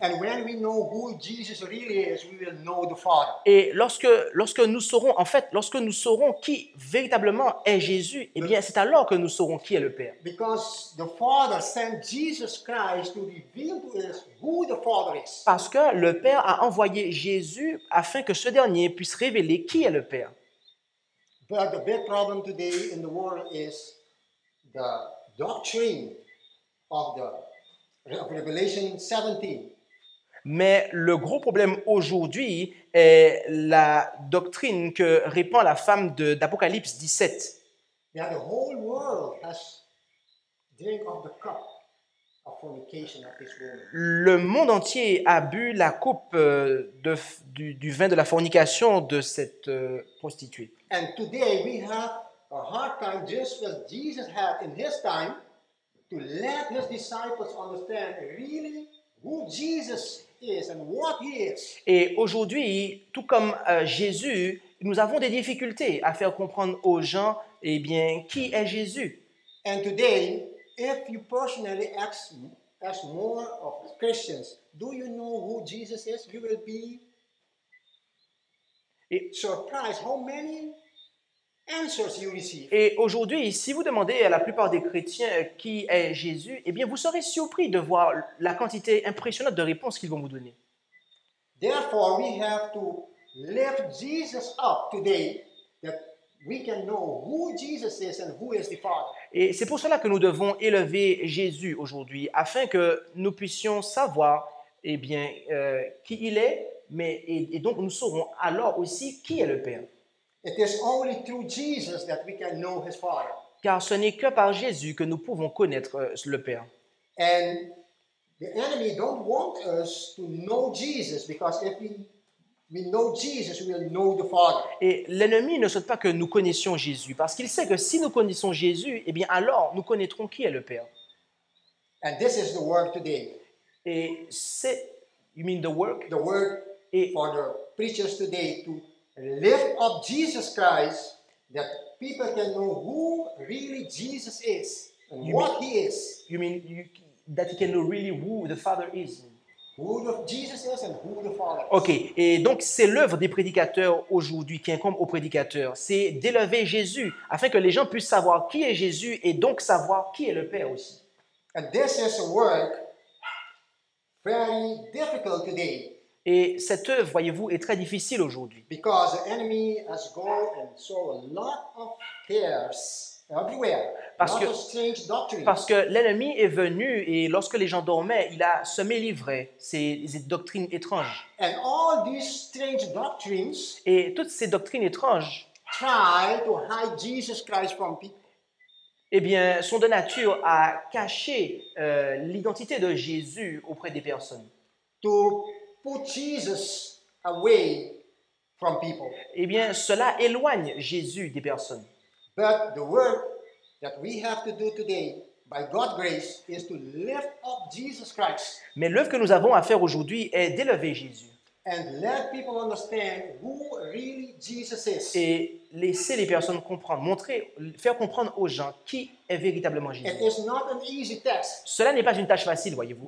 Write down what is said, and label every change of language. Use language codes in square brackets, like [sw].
[en] And when we know who Jesus really is, we will know the Father. [fr] Et lorsque nous saurons qui véritablement est Jésus, eh bien, c'est alors que nous saurons qui est le Père. [en] Because the Father sent Jesus Christ to reveal to us who the Father is. [fr] Parce que le Père a envoyé Jésus afin que ce dernier puisse révéler qui est le Père. [en] But the big problem today in the world is the doctrine of the Revelation 17. [fr] Mais le gros problème aujourd'hui est la doctrine que répand la femme d'Apocalypse 17. [en] That the whole world has drink of the cup of fornication of this woman. [fr] Le monde entier a bu la coupe du vin de la fornication de cette prostituée. [en] And today we have a hard time just as Jesus had in his time to let his disciples understand really who Jesus is and what is. [fr] Et aujourd'hui, tout comme Jésus, nous avons des difficultés à faire comprendre aux gens, eh bien, qui est Jésus. [en] And today, if you personally ask me, ask more of Christians, do you know who Jesus is? You will be surprised how many answers you receive. [fr] Et aujourd'hui, si vous demandez à la plupart des chrétiens qui est Jésus, eh bien, vous serez surpris de voir la quantité impressionnante de réponses qu'ils vont vous donner. [en] Therefore, we have to lift Jesus up today that we can know who Jesus is and who is the Father. [fr] Et c'est pour cela que nous devons élever Jésus aujourd'hui, afin que nous puissions savoir, eh bien, qui il est, mais et donc nous saurons alors aussi qui est le Père. [en] It is only through Jesus that we can know his Father. [fr] Car ce n'est que par Jésus que nous pouvons connaître le Père. [en] And the enemy don't want us to know Jesus because if we know Jesus, we will know the Father. [fr] Et l'ennemi ne souhaite pas que nous connaissions Jésus parce qu'il sait que si nous connaissons Jésus, eh bien alors nous connaîtrons qui est le Père. [en] And this is the work today. [fr] Et c'est, [en] you mean the work? The work for the preachers today to lift up Jesus Christ, that people can know who really Jesus is and what he is. You mean that he can know really who the Father is? Who Jesus is and who the Father is. [fr] Okay, et donc c'est l'œuvre des prédicateurs aujourd'hui qui incombe aux prédicateurs. C'est d'élever Jésus afin que les gens puissent savoir qui est Jésus et donc savoir qui est le Père aussi. [en] And this is a work very difficult today. [fr] Et cette œuvre, voyez-vous, est très difficile aujourd'hui. [en] Because the enemy has gone and sowed a lot of tares everywhere. [fr] Parce que l'ennemi est venu et lorsque les gens dormaient, il a semé l'ivraie, ces doctrines étranges. [en] And all these strange doctrines. [fr] Et toutes ces doctrines étranges. [en] Try to hide Jesus Christ from people. [fr] Eh bien, sont de nature à cacher l'identité de Jésus auprès des personnes. [en] To put Jesus away from people. [fr] Eh bien, cela éloigne Jésus des personnes. [en] But the work that we have to do today, by God's grace, is to lift up Jesus Christ. [fr] Mais l'œuvre que nous avons à faire aujourd'hui est d'élever Jésus. [en] And let people understand who really Jesus is. [fr] Et laisser les personnes comprendre, montrer, faire comprendre aux gens qui est véritablement Jésus. [en] It is not an easy task. [fr] Cela n'est pas une tâche facile, voyez-vous.